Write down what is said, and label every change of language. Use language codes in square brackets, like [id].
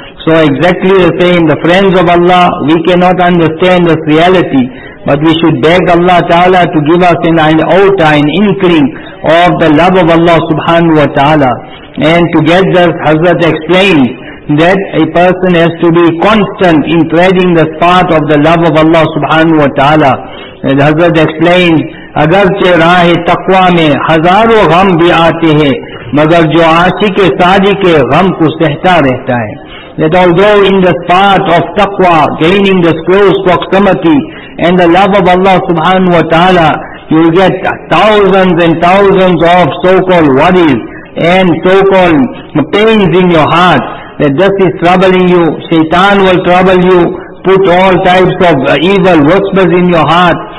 [en] So exactly the same, the friends of Allah, we cannot understand this reality, but we should beg Allah ta'ala to give us an outa, an inkling of the love of Allah subhanahu wa ta'ala. And to get this, Hazrat explained that a person has to be constant in treading the path of the love of Allah subhanahu wa ta'ala. And Hazrat explained, [ur] اگرچہ راہ تقویٰ میں ہزاروں غم بھی آتے ہیں مگر جو عاشق صادق کے غم کو سہتا رہتا ہے. [en] That although in the path of taqwa, gaining this close proximity and the love of Allah subhanahu wa ta'ala, you get thousands and thousands of so-called worries and so-called pains in your heart, that this is troubling you, shaitan will trouble you, put all types of evil whispers in your heart.